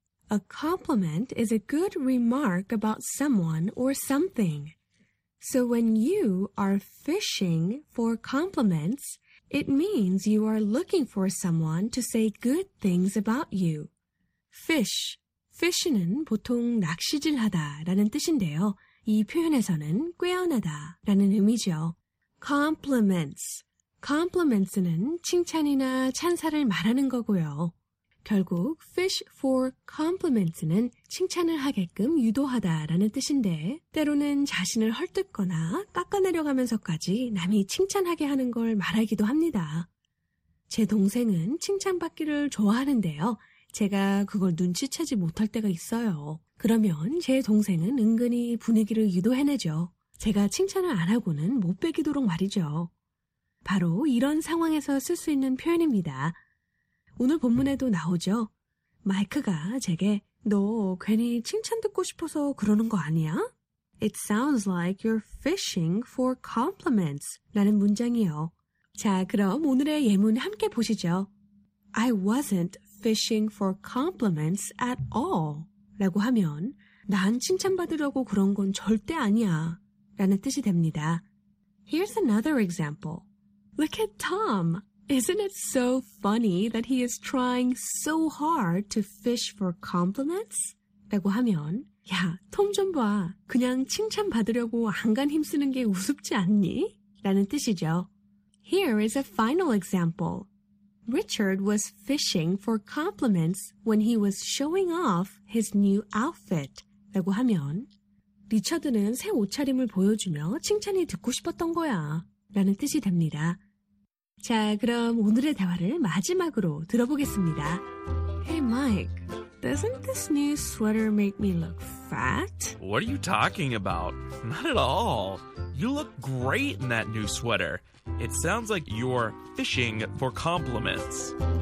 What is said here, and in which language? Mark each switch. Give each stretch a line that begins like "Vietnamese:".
English: A compliment is a good remark about someone or something. So when you are fishing for compliments, It means you are looking for someone to say good things about you. Fish.
Korean: Fish는 보통 낚시질하다 라는 뜻인데요. 이 표현에서는 꾀어내다 라는 의미죠. Compliments. Compliments는 칭찬이나 찬사를 말하는 거고요. 결국 fish for compliments는 칭찬을 하게끔 유도하다 라는 뜻인데 때로는 자신을 헐뜯거나 깎아내려가면서까지 남이 칭찬하게 하는 걸 말하기도 합니다. 제 동생은 칭찬받기를 좋아하는데요. 제가 그걸 눈치채지 못할 때가 있어요. 그러면 제 동생은 은근히 분위기를 유도해내죠. 제가 칭찬을 안 하고는 못 빼기도록 말이죠. 바로 이런 상황에서 쓸 수 있는 표현입니다. 오늘 본문에도 나오죠. 마이크가 제게 너 괜히 칭찬 듣고 싶어서 그러는 거 아니야?
English: It sounds like you're fishing for compliments
Korean: 라는 문장이요. 자, 그럼 오늘의 예문 함께 보시죠.
English: I wasn't fishing for compliments at all
Korean: 라고 하면 난 칭찬받으려고 그런 건 절대 아니야 라는 뜻이 됩니다.
English: Here's another example. Look at Tom. Isn't it so funny that he is trying so hard to fish for compliments?
Korean: 라고 하면, 야, 톰 좀 봐. 그냥 칭찬받으려고 안간 힘쓰는 게 우습지 않니? 라는 뜻이죠.
English: Here is a final example. Richard was fishing for compliments when he was showing off his new outfit.
Korean: 라고 하면, 리처드는 새 옷차림을 보여주며 칭찬이 듣고 싶었던 거야. 라는 뜻이 됩니다. 자, 그럼 오늘의 대화를 마지막으로 들어보겠습니다.
English: Hey, Mike, doesn't this new sweater make me look fat? What are you talking about? Not at all. You look great in that new sweater. It sounds like you're fishing for compliments.